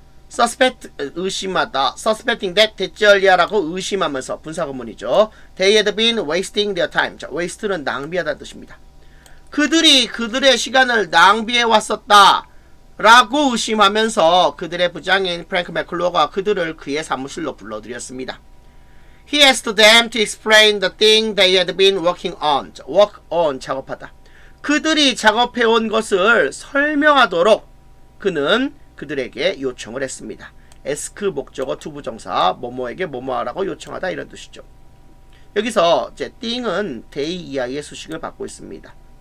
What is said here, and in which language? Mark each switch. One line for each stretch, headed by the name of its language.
Korean: Suspect, 의심하다. Suspecting that, 대쩔리아라고 의심하면서 분사구문이죠.
English: They had been wasting their time.
Korean: 자, waste는 낭비하다는 뜻입니다. 그들이 그들의 시간을 낭비해 왔었다. 라고 의심하면서 그들의 부장인 프랭크 맥클루어가 그들을 그의 사무실로 불러들였습니다.
English: He asked them to explain the thing they had been working on.
Korean: Work on, 작업하다. 그들이 작업해온 것을 설명하도록 그는 그들에게 요청을 했습니다. Ask 목적어 to 부정사, 뭐뭐에게 뭐뭐하라고 요청하다 이런 뜻이죠. 여기서 이제 thing은 they 이하의 수식을 받고 있습니다.